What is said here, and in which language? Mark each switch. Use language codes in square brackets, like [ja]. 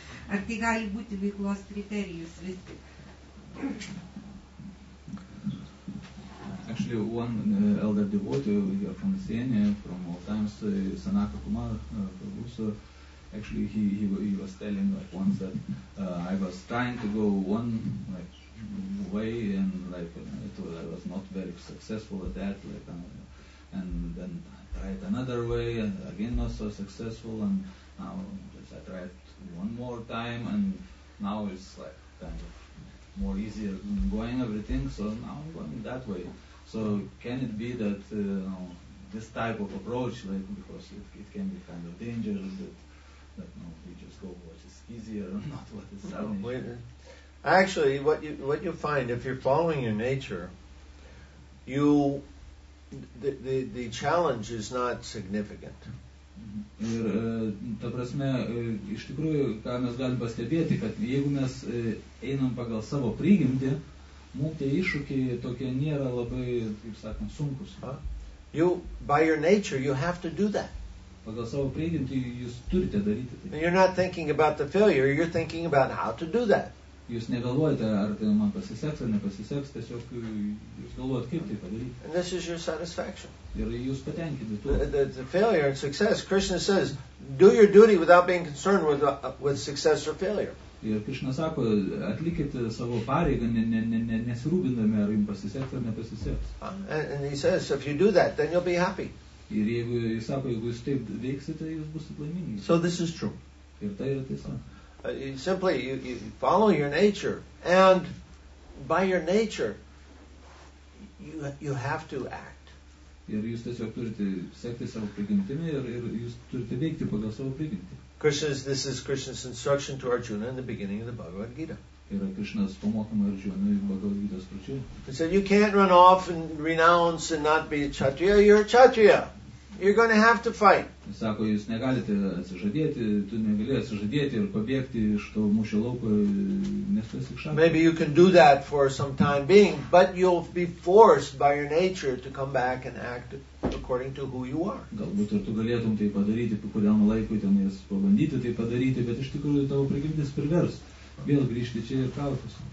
[lt] Ar tai gali būti veiklos kriterijus vis tik? [en] Actually, one elder devotee here from Sienė, from all times, Sanaka Kumar, Prabhu, actually, he was telling like once that I was trying to go one, like, way, and like I was not very successful at that, like, and then I tried another way and again not so successful, and now I tried one more time and now it's like kind of more easier going everything, so now I'm going that way. So can it be that this type of approach, like, because it can be kind of dangerous that no, we just go what is easier and not what is easier. Actually, what you find, if you're following your nature, you the challenge is not significant. [lt] Ir ta prasme, iš tikrųjų, ką mes galim pastebėti, kad jeigu mes einam pagal savo prigimtį, mums tie iššūkiai tokie nėra labai, kaip sakant, sunkus. [en] You, by your nature, you have to do that. [lt] Pagal savo prigimtį jūs turite daryti tai. [en] And you're not thinking about the failure, you're thinking about how to do that. [lt] Jūs negalvojate, ar tai man pasiseks, ar nepasiseks, tiesiog jūs galvojate, kaip tai padaryti. [en] And this is your satisfaction. [lt] Ir jūs patenkinti tuo. [en] The failure and success, Krishna says, do your duty without being concerned with success or failure. [lt] Ir Krishna sako, atlikite savo pareigą, nesirūpindami, ar jums pasiseks, ar nepasiseks. [en] And he says, if you do that, then you'll be happy. [lt] Ir jeigu, jis sako, jeigu jūs taip veiksite, jūs būsite laimingi. [en] So this is true. [lt] Ir tai yra tiesa. [en] You simply follow your nature, and by your nature you have to act. [lt] Ir jūs tiesiog turite sekti savo prigimtimi ir jūs turite veikti pagal savo prigimtį. [en] This is Krishna's instruction to Arjuna in the beginning of the Bhagavad Gita. [lt] Yra Krishna's pamokymas Arjunai Bhagavad Gita's pradžioje. [en] He said, you can't run off and renounce and not be a kshatriya, you're a kshatriya. You're going to have to fight. [lt] Sako, jūs negalite atsižadėti, tu negali atsižadėti ir pabėgti iš to mūšio lauko, nes tu esi kšatrija. [en] Maybe you can do that for some time being, but you'll be forced by your nature to come back and act according to who you are. [lt] Galbūt ir tu galėtum tai padaryti, po kuriam laikui ten jas pabandyti tai padaryti, bet iš tikrųjų tavo prigimtis privers vėl grįžti čia ir kautis.